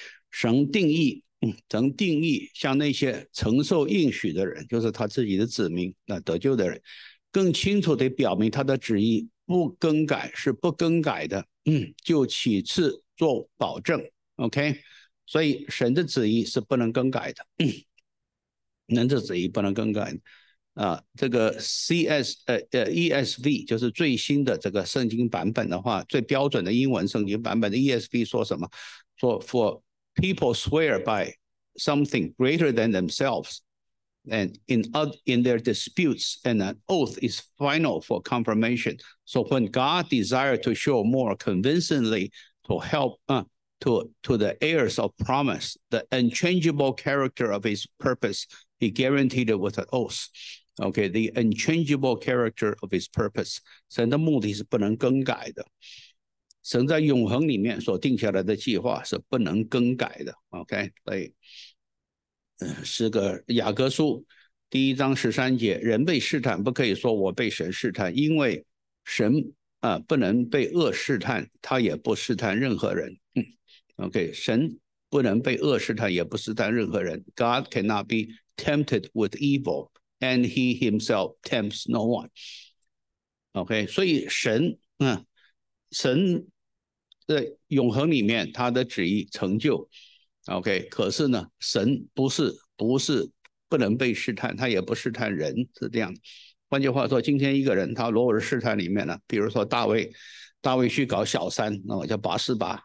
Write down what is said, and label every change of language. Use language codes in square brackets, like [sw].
[zh] 神定义像那些承受应许的人，就是他自己的子民，那得救的人，更清楚地表明他的旨意不更改，是不更改的，就起次做保证。 OK，所以神的旨意是不能更改的，人的旨意不能更改的啊。这个 ESV 就是最新的这个圣经版本的话，最标准的英文圣经版本的 ESV 说什么？说 [en] For people swear by something greater than themselves, and in their disputes, and an oath is final for confirmation. So when God desired to show more convincingly to help to the heirs of promise, the unchangeable character of his purpose, he guaranteed it with an oath. Okay, the unchangeable character of his purpose. [zh] 神的目的是不能更改的。神在永恒里面所定下来的计划是不能更改的。 Okay, 所以，是个雅各书第一章十三节，人被试探不可以说我被神试探，因为神不能被恶试探，他也不试探任何人。 OK， 神不能被恶试探，也不试探任何人。 [en] God cannot be tempted with evil, and he himself tempts no one. [zh] OK， 所以神，神在永恒里面他的旨意成就。 OK， 可是呢，神不是不能被试探，他也不试探人，是这样。换句话说，今天一个人他落入试探里面了，比如说大卫去搞小三，那我叫拔示巴。